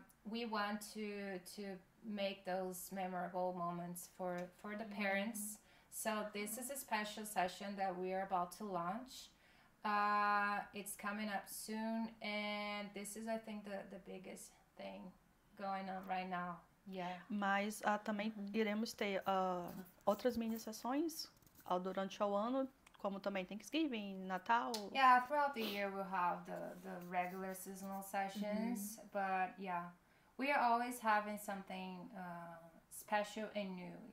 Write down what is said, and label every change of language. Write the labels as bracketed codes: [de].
[en] We want to make those memorable moments for the parents. So this is a special session that we are about to launch. It's coming up soon, and this is, I think, the biggest thing going on right now. Yeah. [pt] Mas também iremos ter outras mini sessões durante o ano, como também Thanksgiving, Natal. [en] Yeah, throughout the year we'll have the regular seasonal sessions, but yeah, we are always having something special and new.